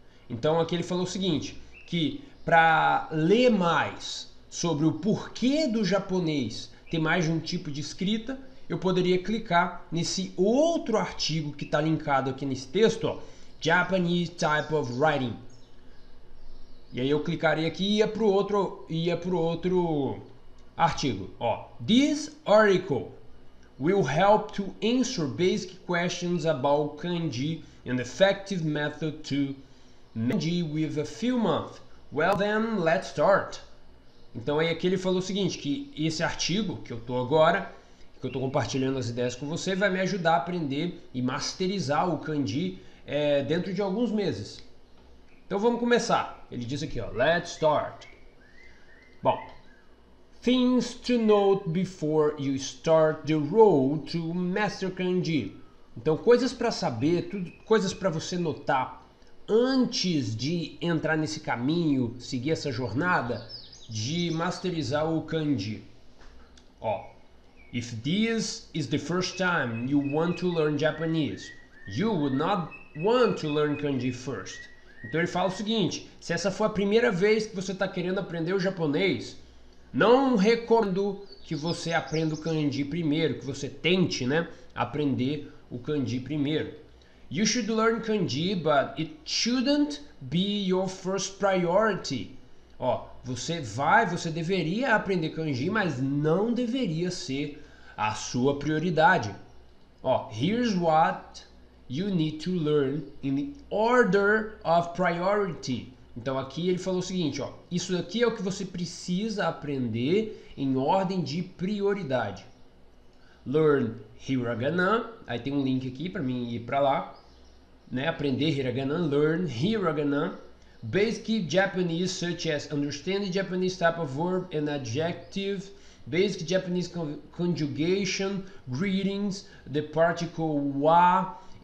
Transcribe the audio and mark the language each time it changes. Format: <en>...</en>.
<pt>Então aqui ele falou o seguinte, que para ler mais sobre o porquê do japonês ter mais de um tipo de escrita, eu poderia clicar nesse outro artigo que está linkado aqui nesse texto, ó.</pt> <en>Japanese type of writing.</en> <pt>E aí eu clicaria aqui e ia pro outro artigo.</pt> <en>Ó, this article will help to answer basic questions about kanji and effective method to kanji with a few months. Well then, let's start.</en> <pt>Então aí aqui ele falou o seguinte, que esse artigo que eu tô agora, que eu tô compartilhando as ideias com você, vai me ajudar a aprender e masterizar o kanji. É dentro de alguns meses. Então vamos começar. Ele diz aqui, ó,</pt> <en>let's start. Bom, things to note before you start the road to master kanji.</en> <pt>Então coisas para saber, tudo, coisas para você notar antes de entrar nesse caminho, seguir essa jornada de masterizar o kanji.</pt> <en>Ó, if this is the first time you want to learn Japanese, you would not want to learn kanji first.</en> <pt>Então ele fala o seguinte: se essa for a primeira vez que você está querendo aprender o japonês, não recomendo que você aprenda o kanji primeiro, que você tente, né, aprender o kanji primeiro.</pt> <en>You should learn kanji, but it shouldn't be your first priority.</en> <pt>Ó, você deveria aprender kanji, mas não deveria ser a sua prioridade.</pt> <en>Ó, here's what you need to learn in the order of priority.</en> <pt>Então aqui ele falou o seguinte, ó, isso aqui é o que você precisa aprender em ordem de prioridade.</pt> <en>Learn hiragana,</en> <pt>aí tem um link aqui para mim ir para lá, né? Aprender hiragana,</pt> <en>learn hiragana, basic Japanese such as understand Japanese type of verb and adjective, basic Japanese conjugation, greetings, the particle wa.</en>